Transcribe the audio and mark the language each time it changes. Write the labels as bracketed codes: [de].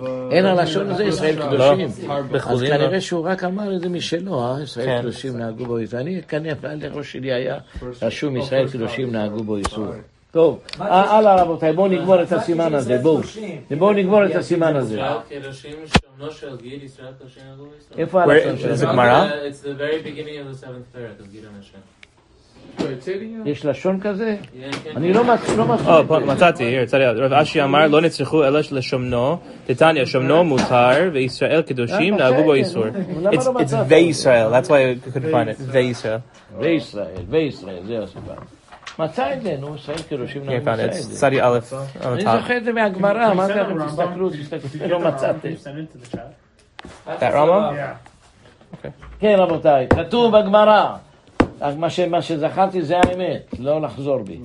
[he] אין הלשון הזה, ישראל קדושים. אז כנראה שהוא רק אמר את זה משלו, ישראל קדושים נהגו בו איסור. אני כנראה, על ראש שלי היה רשום, ישראל קדושים נהגו בו איסור. טוב, הלאה רבותיי, בואו נגמור את הסימן הזה, בואו נגמור את הסימן הזה. ישראל קדושים, שמנו של גיל, ישראל קדושים נהגו בו איסור. איפה הלשון של זה? זה גמרא? [en] It's the very beginning of the 7th third, of גיל הנשם. [he] יש לשון כזה? אני לא מצאתי. אה, מצאתי, מצאתי. רב אשי אמר, לא נצריכו אלא לשומנו. תתניא, שומנו מותר, וישראל קדושים, נהגו בו איסור. [en] It's וישראל, that's why I couldn't find it. [he] וישראל. וישראל, זה הסיבה. מצא את זה, נו, ישראל קדושים, נהגו בו איסור. אני זוכר את זה מהגמרא, מה זה? תסתכלו, תסתכלו, לא מצאתי. [en] That Rama? [he] כן, רבותיי, כתוב בגמרא. מה שזכרתי זה האמת, לא לחזור בי.